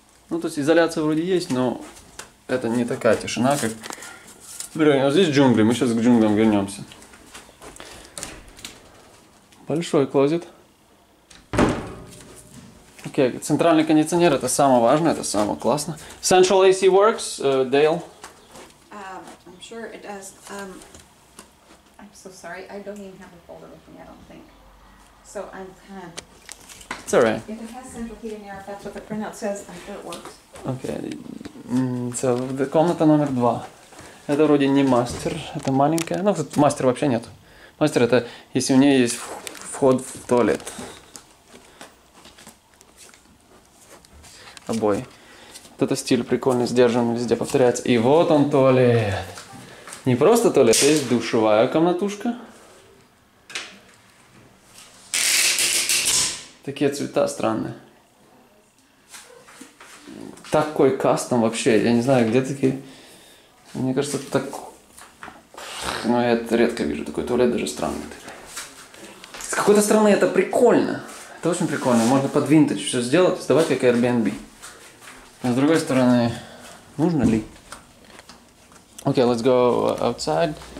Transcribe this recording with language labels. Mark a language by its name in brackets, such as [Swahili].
[Russian] Ну, то есть изоляция вроде есть, но это не такая тишина, как... Блин, а здесь джунгли, мы сейчас к джунглям вернемся. Большой клозет. Окей, okay, центральный кондиционер, это самое важное, это самое классное. [English] Central AC works, Dale. I'm sure it does. I'm so sorry, I don't even have a folder with me, I don't think. So I'm kind of... It's all right. If it has central heating air, that's what the printout says, I'm sure it works. Okay, so the [Russian] комната номер два. Это вроде не мастер, это маленькая. Ну, тут мастер вообще нет. Мастер это, если у нее есть вход в туалет. Обои. Вот это стиль прикольный, сдержанный, везде повторяется. И вот он туалет. Не просто туалет, а есть душевая комнатушка. Такие цвета странные. Такой кастом вообще, я не знаю, где такие... Мне кажется, это так... Ну, я это редко вижу. Такой туалет даже странный. С какой-то стороны это прикольно. Это очень прикольно. Можно под винтаж все сделать, сдавать как Airbnb. А с другой стороны, нужно ли? [English] Окей, okay, let's go outside.